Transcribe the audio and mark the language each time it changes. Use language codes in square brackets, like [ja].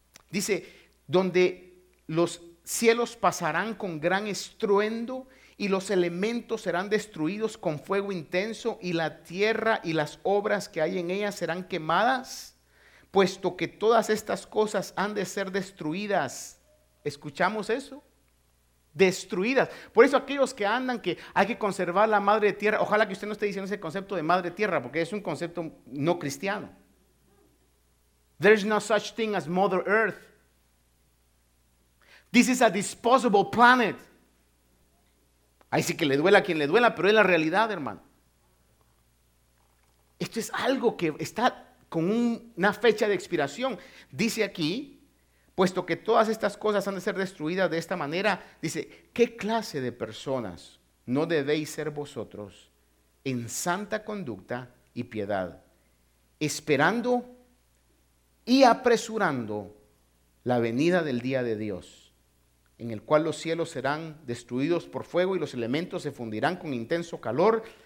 [es] Dice, donde los cielos pasarán con gran estruendo y los elementos serán destruidos con fuego intenso y la tierra y las obras que hay en ella serán quemadas, puesto que todas estas cosas han de ser destruidas. ¿Escuchamos eso? Destruidas. Por eso aquellos que andan que hay que conservar la madre tierra, ojalá que usted no esté diciendo ese concepto de madre tierra, porque es un concepto no cristiano. [en] There's no such thing as Mother Earth. This is a disposable planet. [es] Ahí sí que le duela a quien le duela, pero es la realidad, hermano. Esto es algo que está con una fecha de expiración. Dice aquí, puesto que todas estas cosas han de ser destruidas de esta manera, dice, ¿qué clase de personas no debéis ser vosotros en santa conducta y piedad, esperando y apresurando la venida del día de Dios, en el cual los cielos serán destruidos por fuego y los elementos se fundirán con intenso calor?